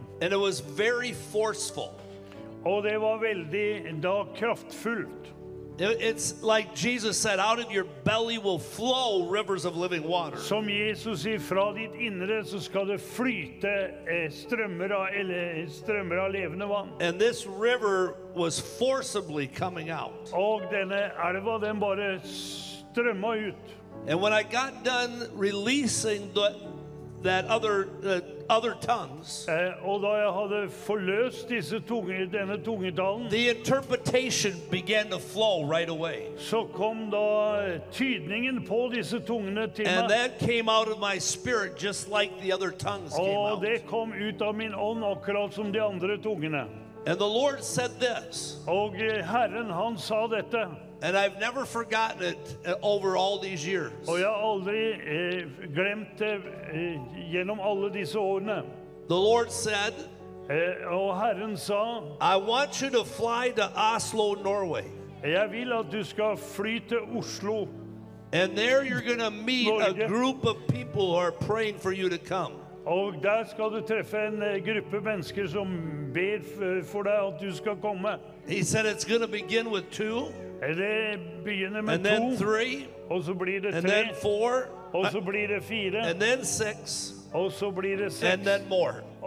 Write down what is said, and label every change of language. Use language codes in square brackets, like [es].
[en] And it was very forceful. [no] Og det var veldig da kraftfullt. [en] It's like Jesus said, out of your belly will flow rivers of living water. [no] Som Jesus sier, fra ditt innre så skal det flyte strømmer av levende vann. [en] And this river was forcibly coming out. [no] Og denne elva, den bare strømma ut. [en] And when I got done releasing the other tongues, the interpretation began to flow right away. And that came out of my spirit just like the other tongues came out. And the Lord said this. And I've never forgotten it over all these years. [no] Og jeg har aldri glemt det gjennom alle disse årene. [en] The Lord said, [no] og Herren sa, [en] I want you to fly to Oslo, Norway. [no] Jeg vil at du skal fly til Oslo. [en] And there you're going to meet Norge. A group of people who are praying for you to come. [no] Og der skal du treffe en gruppe mennesker som ber for deg at du skal komme. [en] He said it's going to begin with two. And then three, and then four, and then six, and then more.